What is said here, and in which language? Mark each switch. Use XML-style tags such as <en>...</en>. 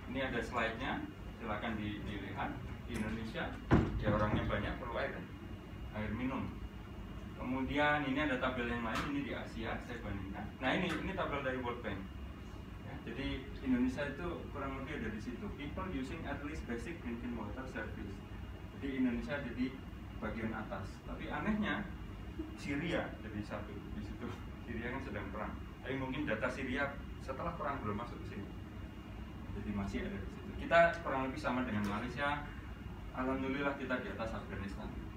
<id>Ini ada slide-nya, silakan dilihat. Di Indonesia ya orangnya banyak perlu air, kan? Air minum. Kemudian ini ada tabel yang lain, ini di Asia saya bandingkan. Nah ini tabel dari World Bank. Ya, jadi Indonesia itu kurang lebih ada di situ.</id> <en>People using at least basic drinking water service.</en> <id>Jadi Indonesia jadi bagian atas. Tapi anehnya Syria jadi satu di situ. Syria kan sedang perang. Tapi mungkin data Syria setelah perang belum masuk ke sini. Jadi masih ada di situ. Kita kurang lebih sama dengan Malaysia. Alhamdulillah kita di atas Afghanistan.</id>